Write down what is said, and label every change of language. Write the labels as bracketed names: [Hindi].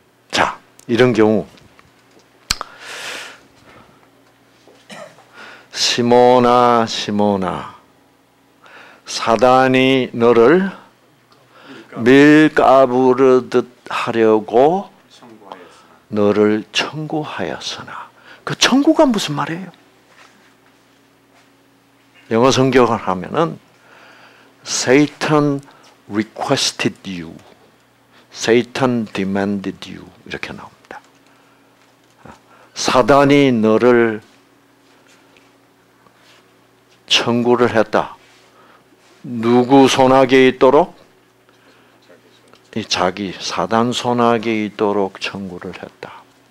[Korean] 자, 이런 경우 시모나, 시모나, 사단이 너를 밀가부르듯 하려고 너를 청구하였으나. 그 청구가 무슨 말이에요? 영어 성경을 하면은 [English] Satan requested you, Satan demanded you [Korean] 이렇게 나옵니다. 사단이 너를 청구를 했다. 누구 손아귀에 있도록? 이 자기 사단 손아귀에 있도록 청구를 했다.